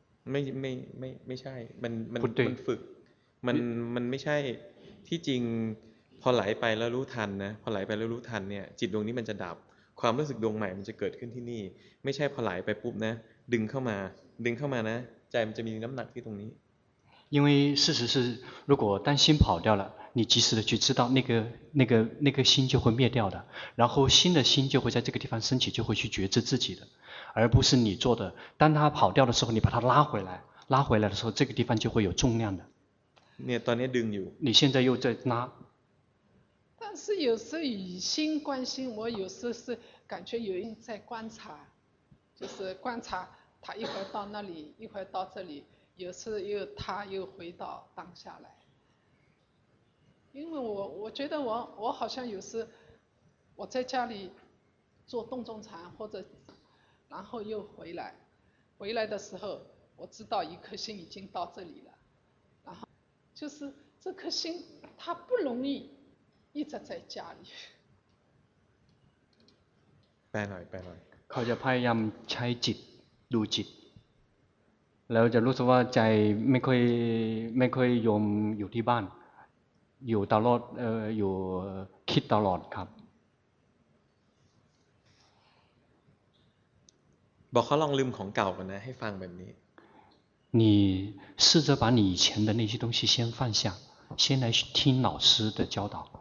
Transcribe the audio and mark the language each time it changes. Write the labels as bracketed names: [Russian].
[Thai] ไม่ใช่มันฝึกมันไม่ใช่ที่จริงพอไหลไปแล้วรู้ทันนะพอไหลไปแล้วรู้ทันเนี่ยจิตดวงนี้มันจะดับความรู้สึกดวงใหม่มันจะเกิดขึ้นที่นี่ไม่ใช่พอไหลไปปุ๊บนะดึงเข้ามานะใจมันจะมีน้ำหนักที่ตรงนี้ [Chinese] 因为事实是如果担心跑掉了你及时的去知道那个心就会灭掉的然后新的心就会在这个地方升起就会去觉知自己的而不是你做的当它跑掉的时候你把它拉回来的时候这个地方就会有重量的你现在又在拉但是有时候以心观心我有时候是感觉有人在观察就是观察他一会儿到那里一会儿到这里有时候又他又回到当下来因为我觉得我好像有时我在家里做洞中禅或者然后又回来的时候我知道一颗心已经到这里了然后就是这颗心它不容易一直在家里拜拜 [Thai] เขาจะพยายามใช้จิตดูจิตแล้วจะรู้สึกว่าใจไม่ค่อยยอมอยู่ที่บ้านอยู่ตลอดอยู่คิดตลอดครับ บอกเขาลองลืมของเก่ากันนะให้ฟังแบบนี้ [Chinese] 你试着把你以前的那些东西先放下先来听老师的教导